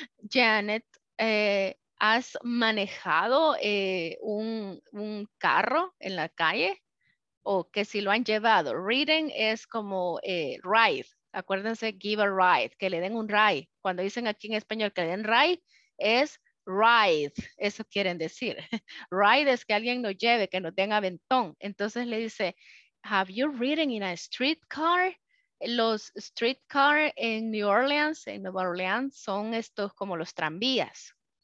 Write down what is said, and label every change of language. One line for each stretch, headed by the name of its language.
Spanish: Janet, ¿has manejado un carro en la calle? O que si lo han llevado. Ridden es como ride. Acuérdense,
English: give a ride,
Spanish: que le den un ride. Cuando dicen aquí en español que le den ride, es ride, eso quieren decir. Ride es que alguien nos lleve, que nos den aventón. Entonces le dice,
English: have you ridden in a streetcar?
Spanish: Los streetcar en New Orleans, en Nueva Orleans, son estos como los tranvías.